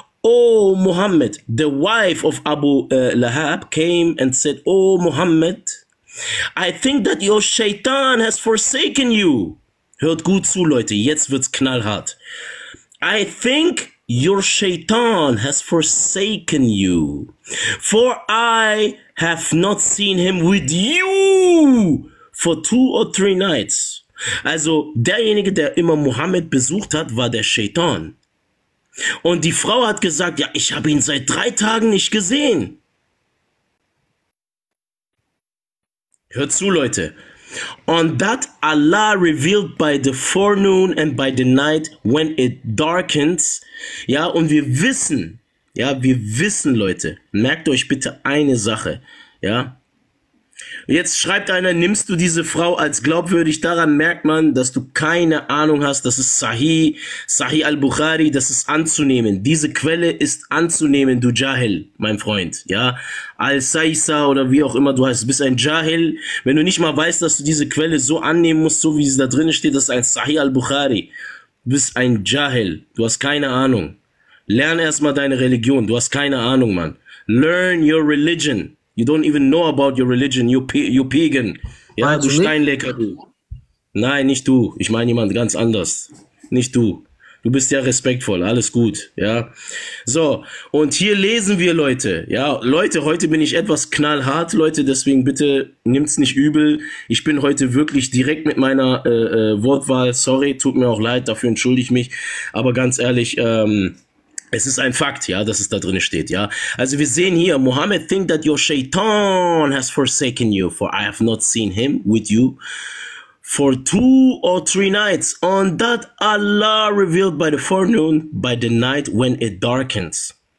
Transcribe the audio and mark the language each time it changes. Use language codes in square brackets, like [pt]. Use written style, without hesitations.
[en] Oh Muhammad, the wife of Abu Lahab came and said, Oh Muhammad, I think that your Shaitan has forsaken you. [de] Hört gut zu, Leute, jetzt wird's knallhart. [en] I think your Shaitan has forsaken you, for I have not seen him with you for 2 or 3 nights. [de] Also derjenige, der immer Muhammad besucht hat, war der Shaitan. Und die Frau hat gesagt, ja, ich habe ihn seit 3 Tagen nicht gesehen. Hört zu, Leute. [en] On that Allah revealed by the forenoon and by the night when it darkens. [de] Ja, und wir wissen, Leute. Merkt euch bitte eine Sache, ja. Jetzt schreibt einer, nimmst du diese Frau als glaubwürdig? Daran merkt man, dass du keine Ahnung hast. Das ist Sahih al-Bukhari, das ist anzunehmen. Diese Quelle ist anzunehmen, du Jahil, mein Freund. Ja, Al-Saisa oder wie auch immer du heißt, bist ein Jahil. Wenn du nicht mal weißt, dass du diese Quelle so annehmen musst, so wie sie da drin steht, das ist ein Sahih al-Bukhari. Du bist ein Jahil, du hast keine Ahnung. Lern erstmal deine Religion, du hast keine Ahnung, Mann. [en] Learn your religion. You don't even know about your religion, you pagan. [de] Ja, du Steinlecker, du. Nein, nicht du. Ich meine jemand ganz anders. Nicht du. Du bist ja respektvoll. Alles gut. Ja. So, und hier lesen wir, Leute. Ja, Leute, heute bin ich etwas knallhart, Leute. Deswegen bitte nimmt's nicht übel. Ich bin heute wirklich direkt mit meiner Wortwahl. Sorry, tut mir auch leid. Dafür entschuldige ich mich. Aber ganz ehrlich, es ist ein Fakt, ja, dass es da drin steht, ja. Also wir sehen hier, [en] Muhammad think that your Shaitan has forsaken you, for I have not seen him with you for 2 or 3 nights. On that Allah revealed by the forenoon, by the night when it darkens.